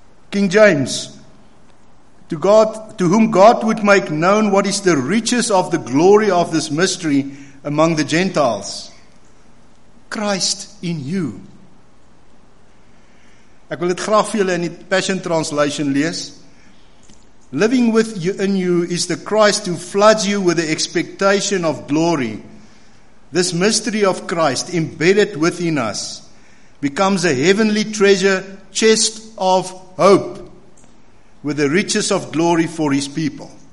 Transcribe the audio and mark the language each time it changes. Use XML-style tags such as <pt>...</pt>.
<en>King James, to whom God would make known what is the riches of the glory of this mystery among the Gentiles. Christ in you.</en> <af>Ek wil dit graag vir julle in die Passion Translation lees.</af> <en>Living with you in you is the Christ who floods you with the expectation of glory. This mystery of Christ embedded within us becomes a heavenly treasure chest of hope with the riches of glory for his people.</en>